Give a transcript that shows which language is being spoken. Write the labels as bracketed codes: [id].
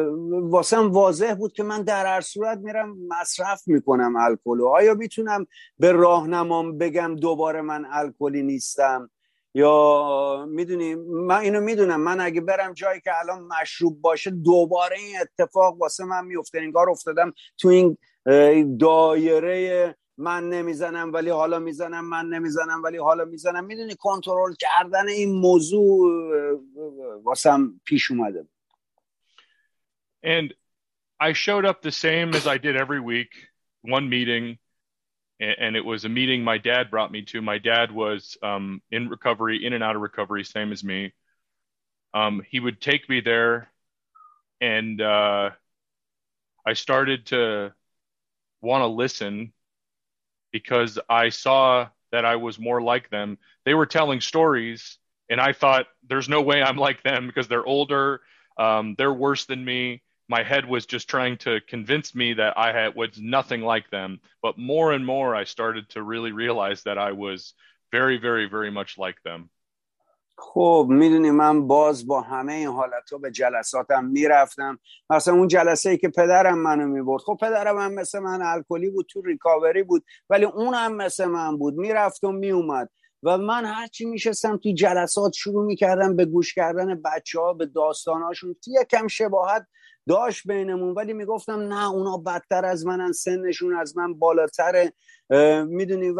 [fa] واسم واضح بود که من در هر صورت میرم مصرف میکنم الکولو، آیا میتونم به راهنمام بگم دوباره من الکولی نیستم، یا میدونی من اینو میدونم من اگه برم جایی که الان مشروب باشه دوباره این اتفاق واسه من میفته، انگار افتادم تو این دایره من نمیزنم ولی حالا میزنم، من نمیزنم ولی حالا میزنم. میدونی کنترل کردن این موضوع واسم پیش اومده. [en] And I showed up the same as I did every week, one meeting. And it was a meeting my dad brought me to. My dad was in recovery, in and out of recovery, same as me. He would take me there, and I started to want to listen because I saw that I was more like them. They were telling stories, and I thought, there's no way I'm like them because they're older. They're worse than me. My head was just trying to convince me that I had was nothing like them. But more and more, I started to really realize that I was very, very, very much like them. [fa] خب میدونی من باز با همه این حالت‌ها به جلساتم میرفتم. مثلا اون جلسه‌ای که پدرم منو میبرد، خب پدرم هم مثل من الکلی بود، تو ریکاوری بود، ولی اون هم مثل من بود، میرفت و میومد. و من هرچی میشستم تو جلسات شروع میکردم به گوش کردن بچه‌ها به داستان‌هاشون، یکم شباهت داشت بینمون، ولی میگفتم نه اونا بدتر از منن، سنشون از من بالاتره، میدونی.